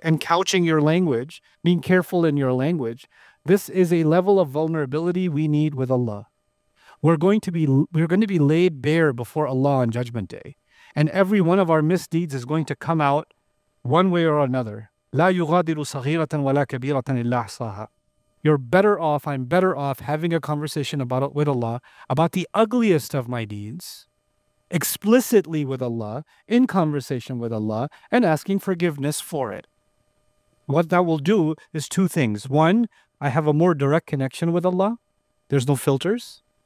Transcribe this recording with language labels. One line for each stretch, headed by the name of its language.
English: And couching your language, being careful in your language. This is a level of vulnerability we need with Allah. We're going to be laid bare before Allah on Judgment Day. And every one of our misdeeds is going to come out one way or another.
Arabic: لا يغادر صغيرة ولا كبيرة إلا أحصاها.
English: You're better off, I'm better off having a conversation about it with Allah about the ugliest of my deeds, explicitly with Allah, in conversation with Allah, and asking forgiveness for it. What that will do is two things. One, I have a more direct connection with Allah. There's no filters.